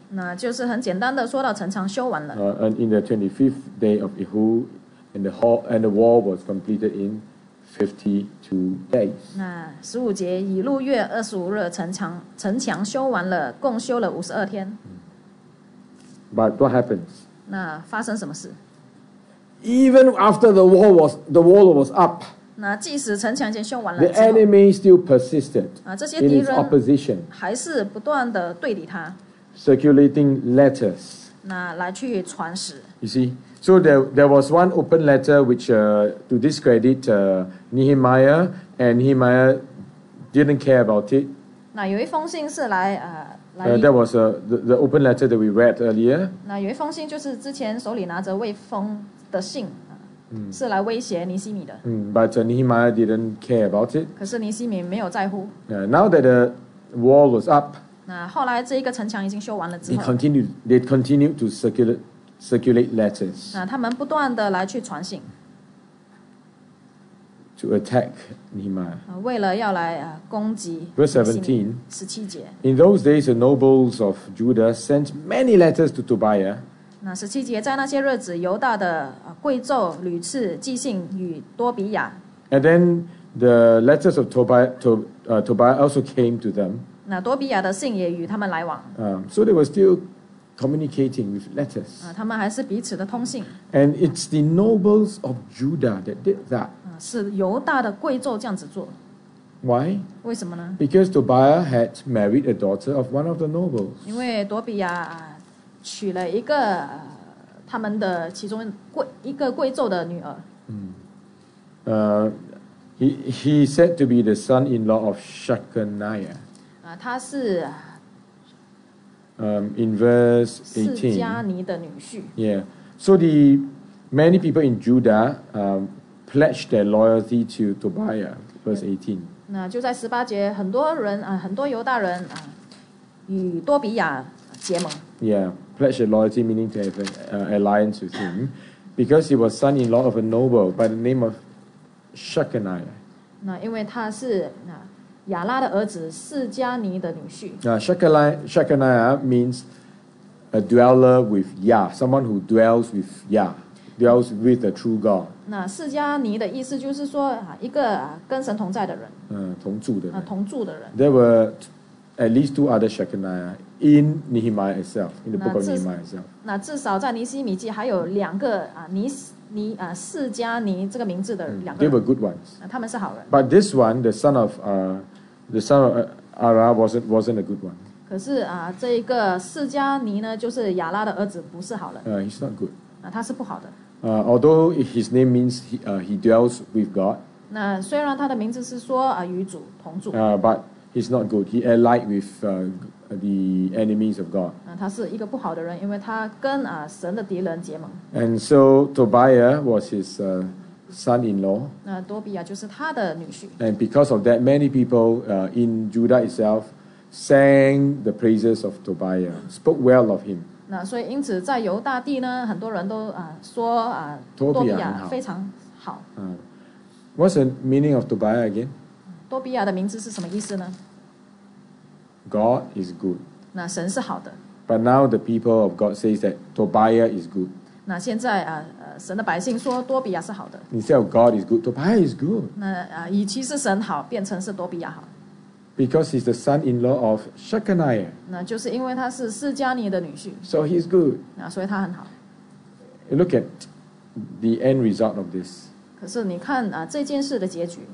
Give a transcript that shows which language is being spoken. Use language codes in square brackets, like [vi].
[zh] 那就是很简单的说到城墙修完了。 [en] And in the 25th day of Elul, the wall was completed in 52 days. [zh] 那十五节，以路月二十五日，城墙修完了，共修了五十二天。 [en] But what happens? [zh] 那发生什么事？ [en] Even after the wall was up. [zh] 那即使城墙已经修完了之后 [en] The enemy still persisted in its opposition. [zh] 还是不断地对立他 [en] Circulating letters. [zh] 那来去传使 [en] You see? So there was one open letter which to discredit Nehemiah, and Nehemiah didn't care about it. [zh] 那有一封信是来 [en] That was the open letter that we read earlier. [zh] 那有一封信就是之前手里拿着未封的信是来威胁尼西米的。 [en] But Nehemiah didn't care about it. [zh] 可是尼西米没有在乎。 [en] Now that the wall was up, [zh] 那后来这一个城墙已经修完了之后 [en] they continued to circulate letters. [zh] 那他们不断的来去传信。 [en] To attack Nehemiah. [zh] 为了要来攻击。 [en] Verse 17. [zh] 十七节。 [en] In those days, the nobles of Judah sent many letters to Tobiah. [zh] 那十七节，在那些日子，犹大的贵胄屡次寄信与多比亚。 [en] And then the letters of Tobiah also came to them. [zh] 那多比亚的信也与他们来往。 [en] So they were still communicating with letters. [zh] 他们还是彼此的通信。 [en] And it's the nobles of Judah that did that. [zh] 是犹大的贵胄这样子做。 [en] Why? [zh] 为什么呢 [en] ？Because Tobiah had married a daughter of one of the nobles. [zh] 因为多比亚。娶了一个他们的其中一个贵胄的女儿。 [en] He said to be the son-in-law of Shechaniah. [zh] 他是。 [en] In verse 18. [zh] 是加尼的女婿。 [en] Yeah. So the many people in Judah pledged their loyalty to Tobiah. Verse 18. [zh] 那就在十八节，很多人很多犹大人与多比亚结盟。 [en] Yeah. Pledge their loyalty, meaning to have an alliance with him, because he was son-in-law of a noble by the name of Shechaniah. [zh] 那因为他是亚拉的儿子示迦尼的女婿。 [en] Shechaniah means a dweller with Yah, someone who dwells with Yah, dwells with the true God. [zh] 那示迦尼的意思就是说一个跟神同在的人。同住的人。同住的人。 [en] There were at least two other Shechaniah. In Nehemiah itself, in the book of Nehemiah itself. [zh] 那至少在尼西米记还有两个示迦尼这个名字的两个。 [en] They were good ones. [zh] 他们是好人。 [en] But this one, the son of Arah, wasn't a good one. [zh] 可是啊，这一个释迦尼呢，就是亚拉的儿子，不是好人。 [en] He's not good. [zh] 啊，他是不好的。 [en] Although his name means he dwells with God. [zh] 那虽然他的名字是说与主同住。 [en] But he's not good. He allied with the enemies of God. [zh] 啊，他是一个不好的人，因为他跟神的敌人结盟。 [en] And so Tobiah was his son-in-law. [zh] 那多比亚就是他的女婿。 [en] And because of that, many people in Judah itself. Sang the praises of Tobiah, spoke well of him. [zh] 那所以因此在犹大地呢，很多人都说多比亚非常好。 [en] What's the meaning of Tobiah again? [zh] 多比亚的名字是什么意思呢？ [en] God is good. [zh] 那神是好的。 [en] But now the people of God says that Tobiah is good. [zh] 那现在神的百姓说多比亚是好的。 [en] Instead of God is good, Tobiah is good. [zh] 那与其是神好，变成是多比亚好。 [en] Because he's the son-in-law of Shechaniah. [zh] 那就是因为他是释迦尼的女婿。 [en] So he's good. [zh] 那所以他很好。 [en] Look at the end result of this. [zh] 可是你看这件事的结局。